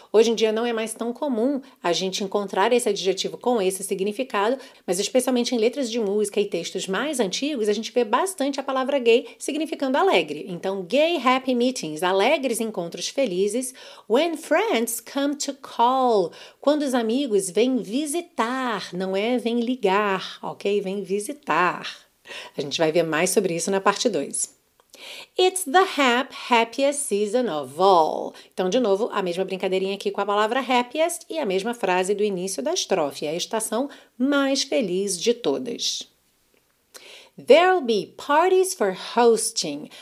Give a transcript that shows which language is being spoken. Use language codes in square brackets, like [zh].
[pt] Hoje em dia não é mais tão comum a gente encontrar esse adjetivo com esse significado, mas especialmente em letras de música e textos mais antigos, a gente vê bastante a palavra gay significando alegre. Então, [en] gay happy meetings, [pt] alegres encontros felizes. [en] When friends come to call, [pt] quando os amigos vêm visitar, não é vêm ligar. Ok? Vem visitar. A gente vai ver mais sobre isso na parte 2. [en] It's the happiest season of all. [pt] Então, de novo, a mesma brincadeirinha aqui com a palavra happiest e a mesma frase do início da estrofe, a estação mais feliz de todas. [en] There'll be parties for hosting.